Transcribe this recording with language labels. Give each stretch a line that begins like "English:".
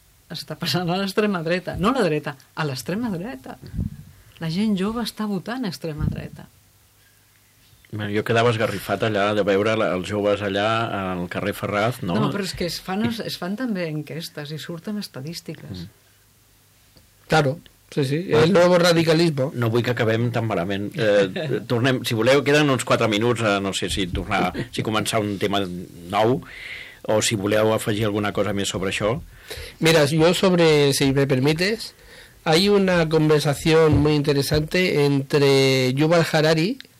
Catalan: està passant a l'extrema dreta, no a la dreta, a l'extrema dreta. La gent jove està votant a l'extrema dreta. Bueno, jo quedava esgarrifat allà de veure els joves allà al carrer Ferraz, no? No, però és que es fan també enquestes i surten estadístiques.
Spanish: Claro, sí, sí, el nuevo radicalismo.
Catalan: No vull que acabem tan malament. Tornem, si voleu, queden uns 4 minuts, no sé si tornar, si començar un tema nou... O si voleu afegir alguna cosa més sobre això.
Spanish: Mira, yo sobre, si me permites, hay una conversación muy interesante entre Yuval Harari,